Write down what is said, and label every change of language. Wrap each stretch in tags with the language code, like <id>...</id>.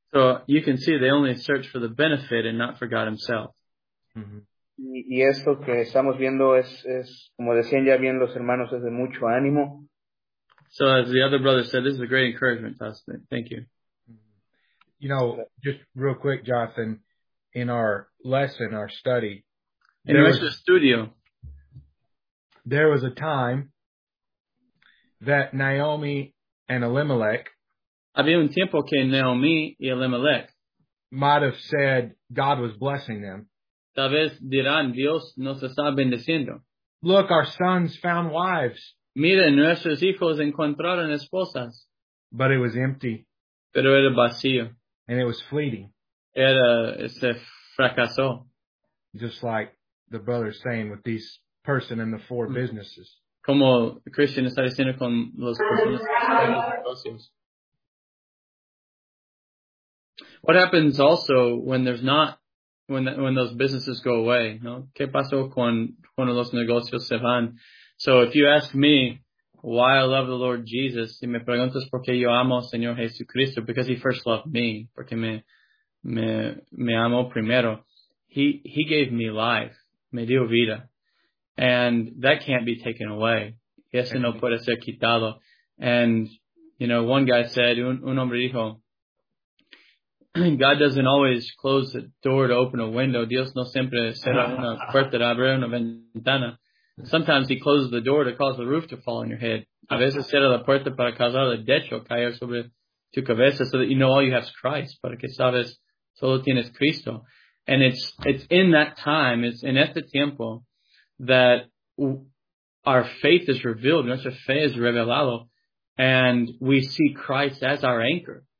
<en>So you can see they only search for the benefit and not for God Himself. Mm-hmm.</en> <es>Y esto que estamos viendo es como decían ya bien los hermanos, es de mucho ánimo.</es> <en>So as the other brother said, this is a great encouragement to us. Thank you. You know, just real quick, Jonathan, in our lesson, our study,</en> <es>in nuestro estudio,</es> <en>there was a time that Naomi and Elimelech,</en> <es>había un tiempo que Naomi y Elimelech</es> <en>might have said God was blessing them.</en> <es>Tal vez dirán, Dios nos está bendiciendo.</es> <en>Look, our sons found wives.</en> <es>Mira, nuestros hijos encontraron esposas.</es> <en>But it was empty.</en> <es>Pero era vacío.</es> <en>And it was fleeting.</en> <es>Era, se fracasó.</es> <en>Just like the brother's saying with these person and the four businesses.</en> <es>Como Christian está diciendo con los personas y los negocios.</es> <en>What happens also when there's not, when those businesses go away, no?</en> <es>¿Qué pasó cuando los negocios se van?</es> <en>So if you ask me why I love the Lord Jesus,</en> <es>y me preguntas por qué yo amo al Señor Jesucristo,</es> <en>because he first loved me,</en> <es>porque me amo primero.</es> <en>He gave me life.</en> <es>Me dio vida.</es> <en>And that can't be taken away.</en> <es>Y eso no puede ser quitado.</es> <en>And, you know, one guy said,</en> <es>un hombre dijo,</es> <en>God doesn't always close the door to open a window.</en> <es>Dios no siempre cerra una puerta de abrir una ventana.</es> <en>Sometimes he closes the door to cause the roof to fall on your head.</en> <es>A veces cierra la puerta para causar el techo caer sobre tu cabeza</es> <en>so that you know all you have is Christ.</en> <es>Para que sabes, solo tienes Cristo.</es> <en>And it's in that time, it's in</en> <es>este tiempo,</es> <en>that our faith is revealed,</en> <es>nuestra fe es revelado,</es> <en>and we see Christ as our anchor.</en>